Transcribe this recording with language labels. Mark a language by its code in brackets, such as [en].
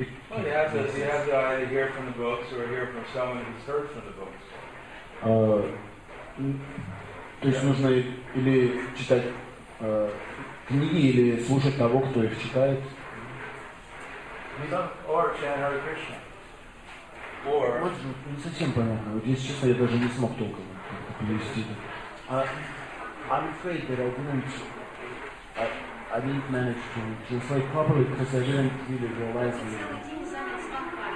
[en] Well, you have to either hear from the books or hear from someone who's heard from the books. [ru] То есть нужно или читать книги, или слушать того, кто их читает. [en] Or [ru] Не совсем понятно. Вот если честно, я даже не смог толком перевести. [en] I'm afraid that I didn't manage to translate properly because I didn't really realize it.